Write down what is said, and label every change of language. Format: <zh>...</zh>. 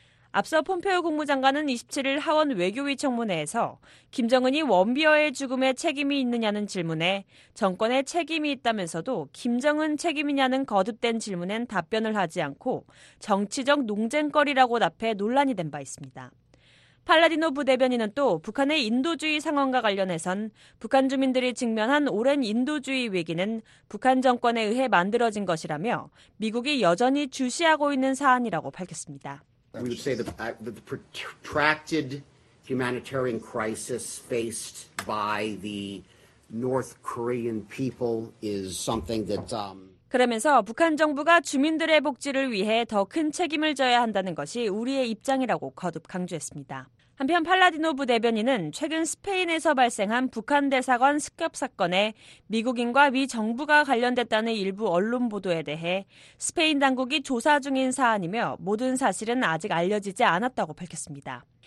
<ko>앞서 폼페오 국무장관은 27일 하원 외교위 청문회에서 김정은이 원비어의 죽음에 책임이 있느냐는 질문에 정권에 책임이 있다면서도 김정은 책임이냐는 거듭된 질문엔 답변을 하지 않고 정치적 논쟁거리라고 답해 논란이 된 바 있습니다. 팔라디노 부대변인은 또 북한의 인도주의 상황과 관련해선 북한 주민들이 직면한 오랜 인도주의 위기는 북한 정권에 의해 만들어진 것이라며 미국이 여전히 주시하고 있는 사안이라고 밝혔습니다.</ko> <en>I would say the protracted humanitarian crisis faced by the North Korean people is something that</en> <ko>그러면서 북한 정부가 주민들의 복지를 위해 더 큰 책임을 져야 한다는 것이 우리의 입장이라고 거듭 강조했습니다. 한편 팔라디노 부대변인은 최근 스페인에서 발생한 북한 대사관 습격 사건에 미국인과 미 정부가 관련됐다는 일부 언론 보도에 대해 스페인 당국이 조사 중인 사안이며 모든 사실은 아직 알려지지 않았다고 밝혔습니다.</ko>